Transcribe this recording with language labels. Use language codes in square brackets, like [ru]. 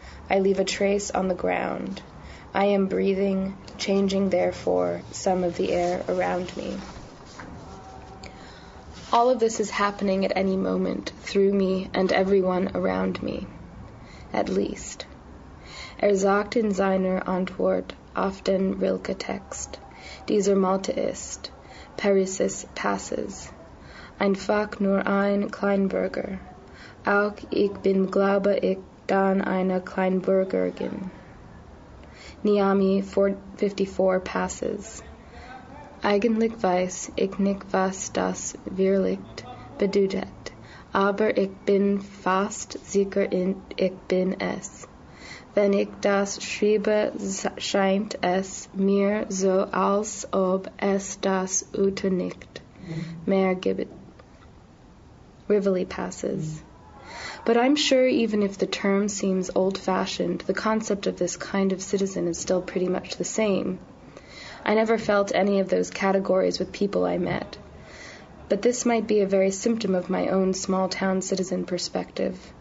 [en] I leave a trace on the ground. I am breathing, changing, therefore, some of the air around me. All of this is happening at any moment, through me and everyone around me, at least. [de] Er sagt in seiner Antwort auf den Rilke Text, dieser Malte ist, Parisis passes, einfach nur ein Kleinbürger, auch ich bin glaube ich dann eine Kleinbürgerin. Niami 54 passes. Eigentlich weiß ich nicht, was das wirklich bedeutet, aber ich bin fast sicher, ich bin es. Wenn ich das schreibe, scheint es mir so, als ob es das Ute nicht mehr gibt. [en] Rivoli passes. But I'm sure even if the term seems old-fashioned, the concept of this kind of citizen is still pretty much the same. I never felt any of those categories with people I met. But this might be a very symptom of my own small-town citizen perspective.